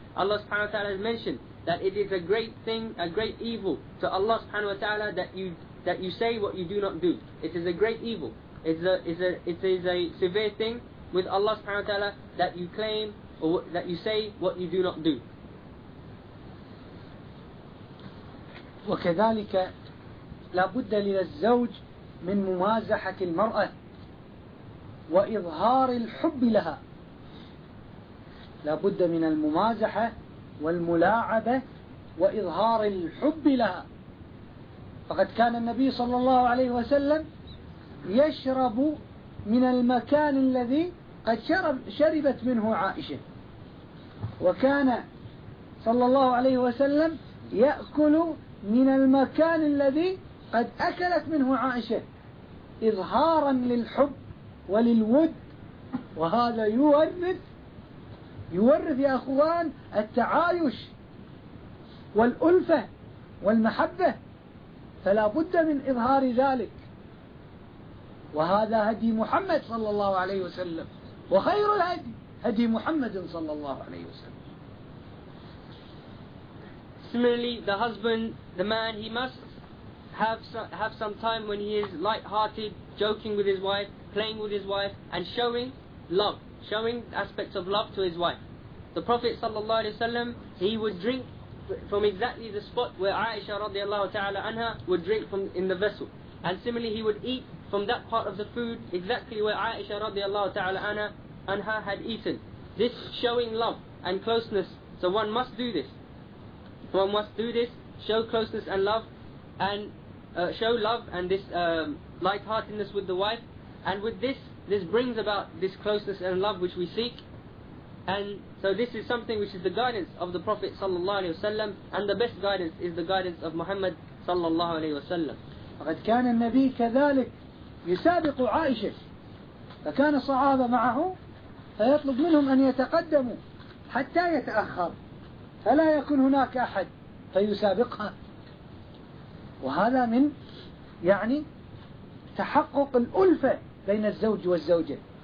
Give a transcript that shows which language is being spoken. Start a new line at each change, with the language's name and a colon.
English: Allah subhanahu wa ta'ala has mentioned that it is a great thing, a great evil to Allah subhanahu wa ta'ala that you say what you do not do. It is a great evil. It is a severe thing with Allah subhanahu wa ta'ala that you claim or that you say what you do not do.
Arabic: وكذلك لا بد للزوج من ممازحة المرأة وإظهار الحب لها، لا بد من الممازحة والملاعبة وإظهار الحب لها. فقد كان النبي صلى الله عليه وسلم يشرب من المكان الذي قد شربت منه عائشة، وكان صلى الله عليه وسلم يأكل من المكان الذي قد أكلت منه عائشة إظهارا للحب وللود، وهذا يورث يا أخوان التعايش والألفة والمحبة، فلا بد من إظهار ذلك، وهذا هدي محمد صلى الله عليه وسلم، وخير الهدي هدي محمد صلى الله عليه وسلم.
English: Similarly, the husband, the man, he must have some time when he is light-hearted, joking with his wife, playing with his wife, and showing love, showing aspects of love to his wife. The Prophet sallallahu alaihi wasallam, he would drink from exactly the spot where Aisha radiallahu ta'ala anha would drink from in the vessel. And similarly, he would eat from that part of the food exactly where Aisha radiallahu ta'ala anha had eaten. This showing love and closeness, so one must do this. One must do this, show closeness and love, and show love and this lightheartedness with the wife. And with this, this brings about this closeness and love which we seek. And so this is something which is the guidance of the Prophet sallallahu alaihi wasallam, and the best guidance is the guidance of Muhammad sallallahu alaihi wasallam.
Arabic: فقد كان النبي كذلك يسابق عائشة، فكان الصحابة معه فيطلب منهم أن يتقدموا حتى يتأخر فلا يكون هناك أحد فيسابقها، وهذا من يعني تحقق الألفة بين الزوج والزوجة.